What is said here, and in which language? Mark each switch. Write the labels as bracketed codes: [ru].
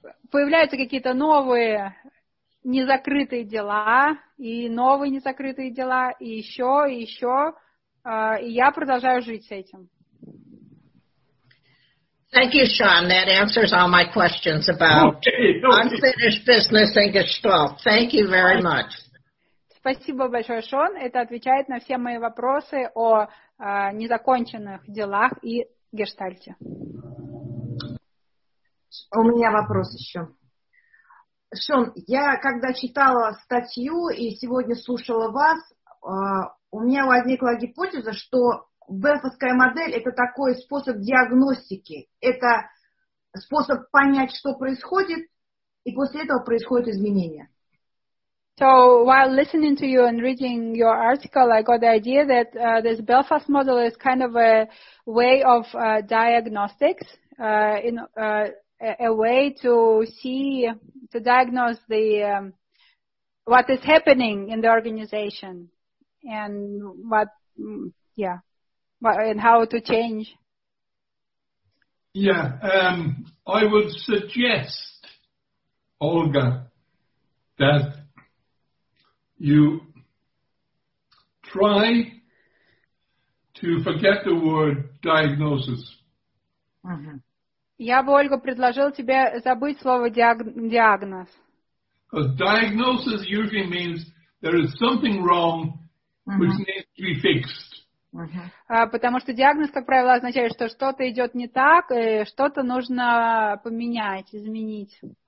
[ru] Появляются какие-то новые незакрытые дела и новые незакрытые дела и еще и еще и я продолжаю жить с этим. [en] Thank you, Sean. That answers all my questions about unfinished business and Gestalt. Thank you very much. [ru] Спасибо большое, Шон. Это отвечает на все мои вопросы о незаконченных делах и Гештальте. У меня вопрос еще. Шон, я когда читала статью и сегодня слушала вас, у меня возникла гипотеза, что Белфастская модель – это такой способ диагностики, это способ понять, что происходит, и после этого происходят изменения. [en] So while listening to you and reading your article, I got the idea that this Belfast model is kind of a way of diagnostics, in a way to see, to diagnose the what is happening in the organization and what, and how to change. Yeah, I would suggest, Olga, that you try to forget the word diagnosis. [ru] Я бы, Ольга, предложил тебе забыть слово диагноз. [en] Because diagnosis usually means there is something wrong which needs to be fixed. [ru] Потому что диагноз, как правило, означает, что что-то идет не так, и что-то нужно поменять, изменить.